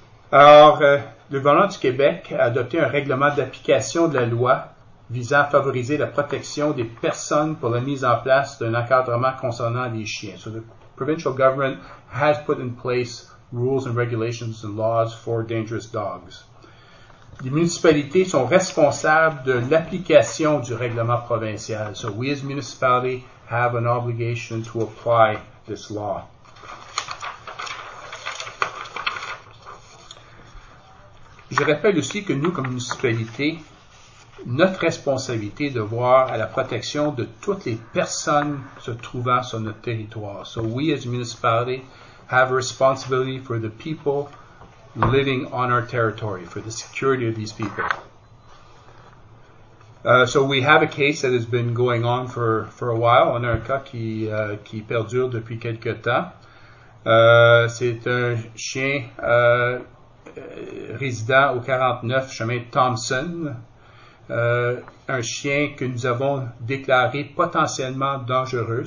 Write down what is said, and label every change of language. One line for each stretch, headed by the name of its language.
French: Alors, le gouvernement du Québec a adopté un règlement d'application de la loi visant à favoriser la protection des personnes pour la mise en place d'un encadrement concernant les chiens.
English: So the provincial government has put in place rules and regulations and laws for dangerous dogs.
French: Les municipalités sont responsables de l'application du règlement provincial.
English: So we as municipality have an obligation to apply this law.
French: Je rappelle aussi que nous, comme municipalité, notre responsabilité est de voir à la protection de toutes les personnes se trouvant sur notre territoire.
English: So we as a municipality have a responsibility for the people living on our territory, for the security of these people. So we have a case that has been going on for a while.
French: On a un cas qui perdure depuis quelque temps. C'est un chien résident au 49 chemin Thompson. Un chien que nous avons déclaré potentiellement dangereux.